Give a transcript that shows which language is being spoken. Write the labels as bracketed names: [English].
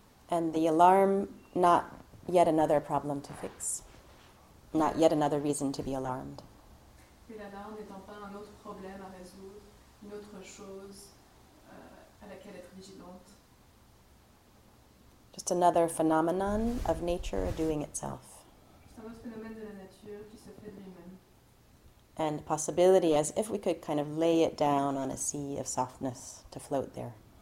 [English] And the alarm, not yet another problem to fix. Not yet another reason to be alarmed. [French] Et l'alarme n'étant pas un autre problème à résoudre, une autre chose à laquelle être vigilante. [English] Just another phenomenon of nature doing itself. [French] Juste un autre phénomène de la nature qui se fait de lui-même. [English] And possibility as if we could kind of lay it down on a sea of softness to float there.